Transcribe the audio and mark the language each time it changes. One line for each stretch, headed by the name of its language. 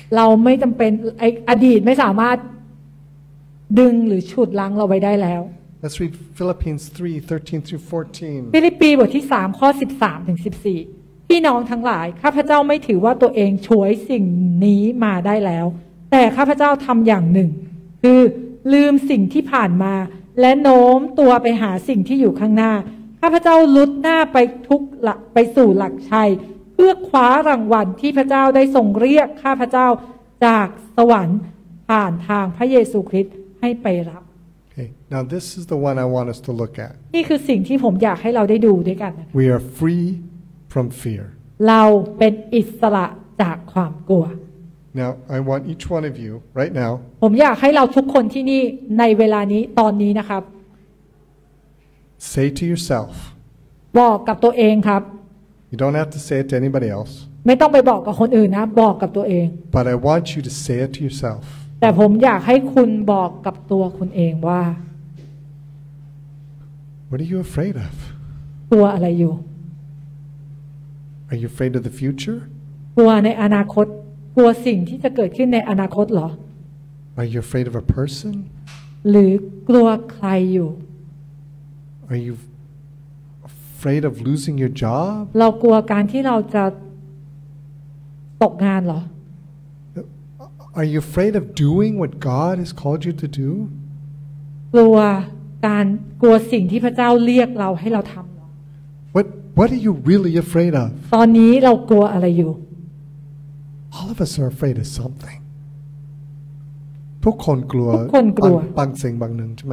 Thai: เราไม่จำเป็นอดีตไม่สามารถดึงหรือฉุดลังเราไว้ได้แล้ว
English: Let's read Philippians 3:13-14
Thai: ฟิลิปปีบทที่3ข้อ13ถึง14พี่น้องทั้งหลายข้าพเจ้าไม่ถือว่าตัวเองช่วยสิ่งนี้มาได้แล้วแต่ข้าพเจ้าทำอย่างหนึ่งคือลืมสิ่งที่ผ่านมาและโน้มตัวไปหาสิ่งที่อยู่ข้างหน้าข้าพเจ้าลุดหน้าไปทุกหลักไปสู่หลักชัยเพื่อคว้ารางวัลที่พระเจ้าได้ทรงเรียกข้าพเจ้าจากสวรรค์ผ่านทางพระเยซูคริสต์ให้ไปรับ
English: Okay. Now this is the one I want us to look at.
Thai: นี่คือสิ่งที่ผมอยากให้เราได้ดูด้วยกันนะ
English: We are free from fear.
Thai: เราเป็นอิสระจากความกลัว
English: Now I want each one of you right now.
Thai: ผมอยากให้เราทุกคนที่นี่ในเวลานี้ตอนนี้นะครับ
English: Say to yourself.
Thai: บอกกับตัวเองครับ
English: You don't have to say it to anybody else.
Thai: ไม่ต้องไปบอกกับคนอื่นนะบอกกับตัวเอง
English: But I want you to say it to yourself.
Thai: แต่ผมอยากให้คุณบอกกับตัวคุณเองว่า
English: What are you afraid of?
Thai: กลัวอะไรอยู่
English: Are you afraid of the future?
Thai: กลัวในอนาคตกลัวสิ่งที่จะเกิดขึ้นในอนาคตเหรอ
English: Are you afraid of a person?
Thai: หรือกลัวใครอยู่
English: Are you afraid of losing your job?
Thai: เรากลัวการที่เราจะตกงานเหรอ
English: Are you afraid of doing what God has called you to do?
Thai: กลัวการกลัวสิ่งที่พระเจ้าเรียกเราให้เราทำ
English: What are you really afraid of?
Thai: ตอนนี้เรากลัวอะไรอยู่
English: All of us are afraid of something.
Thai: ทุกคนกลัว ทุกคนกลัว บางสิ่งบางหนึ่งใช่ไหม